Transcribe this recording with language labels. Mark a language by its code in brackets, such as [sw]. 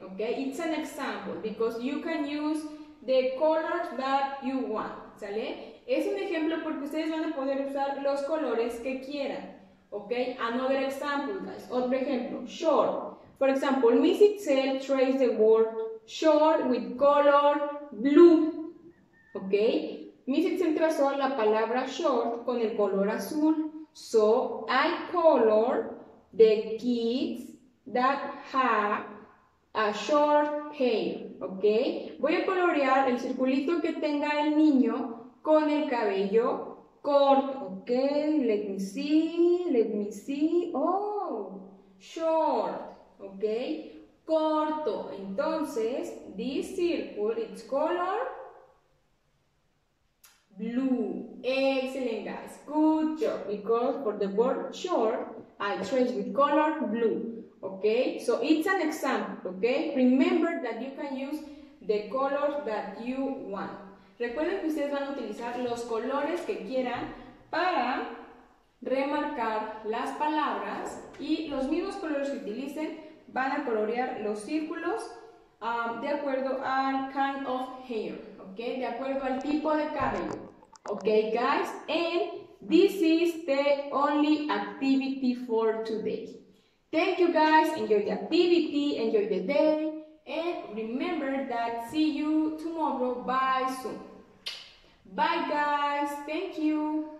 [en] Okay, it's an example because you can use the colors that you want. [es] ¿Sale? Es un ejemplo porque ustedes van a poder usar los colores que quieran. [en] Okay, another example, guys. [es] Otro ejemplo, [en] short. For example, Miss Itzel trace the word short with color blue. [es] Okay, Miss Itzel trazó la palabra short con el color azul. [en] So I color the kids that have a short hair, ¿ok? [es] Voy a colorear el circulito que tenga el niño con el cabello corto, ¿ok? [en] Let me see, oh, short, ¿ok? [es] Corto, entonces, [en] this circle, it's color blue. Excellent, guys. Good job. Because for the word short, I trace with color blue. Okay? So it's an example. Okay? Remember that you can use the colors that you want. [es] Recuerden que ustedes van a utilizar los colores que quieran para remarcar las palabras y los mismos colores que utilicen van a colorear los círculos de acuerdo al [en] kind of hair. [es] Okay? De acuerdo al tipo de cabello. [en] Okay, guys, and this is the only activity for today. Thank you, guys. Enjoy the activity, enjoy the day, and remember that see you tomorrow. Bye soon. Bye, guys. Thank you.